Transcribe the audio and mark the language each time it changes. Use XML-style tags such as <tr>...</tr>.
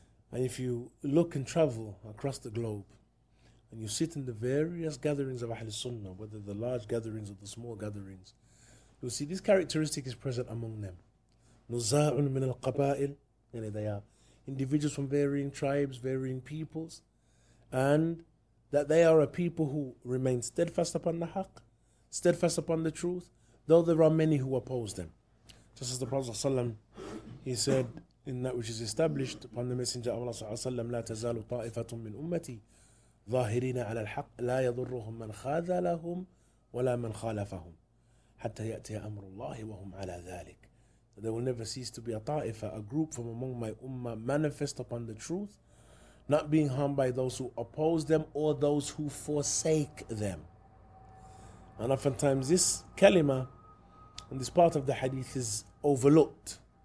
<en>And if you look and travel across the globe, and you sit in the various gatherings of Ahlul Sunnah, whether the large gatherings or the small gatherings, you'll see this characteristic is present among them.</en> <ar>Nuzza'un min al-qaba'il,</ar> <en>yani they are individuals from varying tribes, varying peoples, and that they are a people who remain steadfast upon the haq, steadfast upon the truth, though there are many who oppose them. Just as the Prophet ﷺ, he said, in that which is established upon the Messenger of Allah ﷺ,</en> <ar>لا تزال طائفة من أمتي ظاهرين على الحق لا يضرهم من خاذلهم ولا من خالفهم حتى يأتي أمر الله وهم على ذلك.</ar> <en>There will never cease to be a ta'ifa, a group from among my ummah, manifest upon the truth, not being harmed by those who oppose them or those who forsake them. And oftentimes this kalima and this part of the hadith is overlooked.</en>